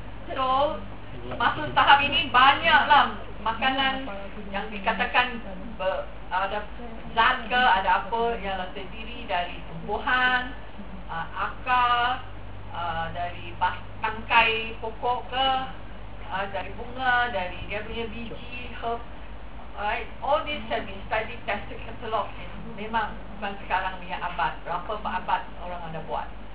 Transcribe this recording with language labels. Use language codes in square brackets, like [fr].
[ms] So masuk tahap ini banyaklah makanan yang dikatakan ada zat ke ada apa yang terdiri dari tumbuhan, akar, dari tangkai pokok ke, dari bunga, dari dia punya biji, herb. [en] Alright, all this have been studied, tested, catalog. [ms] Memang bukan sekarang punya abad, berapa abad orang ada buat.